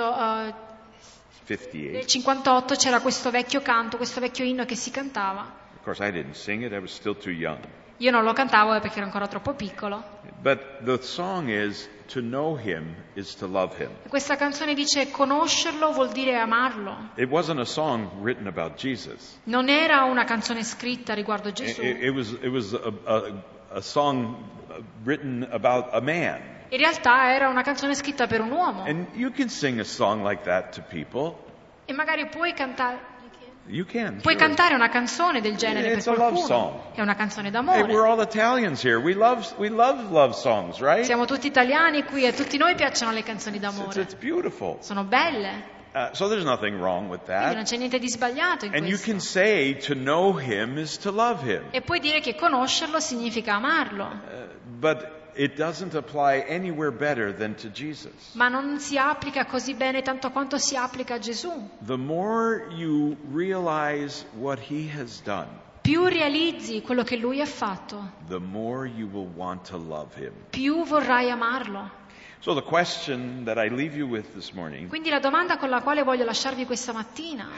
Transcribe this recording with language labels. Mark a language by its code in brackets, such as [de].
[it] 1958 c'era questo vecchio canto, questo vecchio inno che si cantava. [en] Of course I didn't sing it, I was still too young. [it] Io non lo cantavo perché ero ancora troppo piccolo. [en] But the song is, to know him is to love him. [it] Questa canzone dice, conoscerlo vuol dire amarlo. [en] It wasn't a song written about Jesus. [it] Non era una canzone scritta riguardo Gesù. [en] It was a song written about a man. [it] In realtà era una canzone scritta per un uomo. [en] And you can sing a song like that to people. [it] E magari puoi cantare. [en] You can. [it] Puoi cantare una canzone del genere per qualcuno. [en] It's a love song. [it] È una canzone d'amore. [en] Hey, we're all Italians here. We love love songs, right? [it] Siamo tutti italiani qui e tutti noi piacciono le canzoni d'amore. [en] It's beautiful. [it] Sono belle. [en] So there's nothing wrong with that. [it] Quindi non c'è niente di sbagliato in questo. [en] And you can say to know him is to love him. [it] E puoi dire che conoscerlo significa amarlo. [en] But it doesn't apply anywhere better than to Jesus. [it] Ma non si applica così bene tanto quanto si applica a Gesù. [en] The more you realize what he has done, [it] più realizzi quello che lui ha fatto, [en] the more you will want to love him. [it] Più vorrai amarlo. [en] So the question that I leave you with this morning. [it] Quindi la domanda con la quale voglio lasciarvi questa mattina.